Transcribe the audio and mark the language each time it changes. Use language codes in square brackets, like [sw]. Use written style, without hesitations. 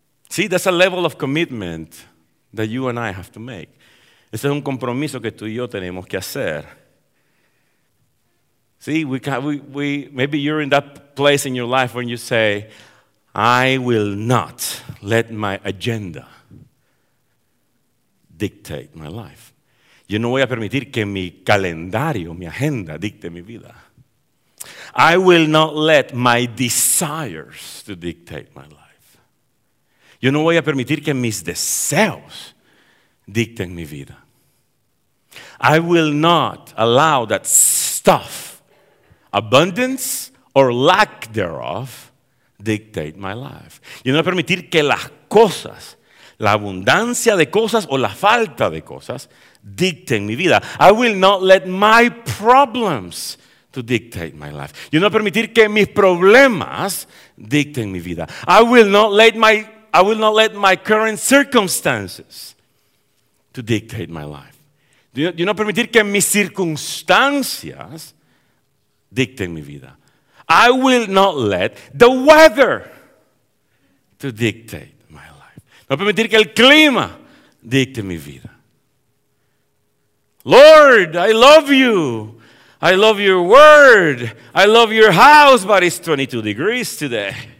[en] See, that's a level of commitment that you and I have to make. [es] Ese es un compromiso que tú y yo tenemos que hacer. [en] See, maybe you're in that place in your life when you say, I will not let my agenda dictate my life. [es] Yo no voy a permitir que mi calendario, mi agenda, dicte mi vida. [en] I will not let my desires to dictate my life. [es] Yo no voy a permitir que mis deseos dicten mi vida. [en] I will not allow that stuff, abundance or lack thereof, dictate my life. [es] Yo no voy a permitir que las cosas, la abundancia de cosas o la falta de cosas, dicten mi vida. [en] I will not let my problems to dictate my life. [es] Yo no voy a permitir que mis problemas dicten mi vida. [en] I will not let my current circumstances to dictate my life. [es] Yo no permitir que mis circunstancias dicten mi vida. [en] I will not let the weather to dictate my life. [es] No permitir que el clima dicte mi vida. [en] Lord, I love you. I love your word. I love your house, but it's 22 degrees today.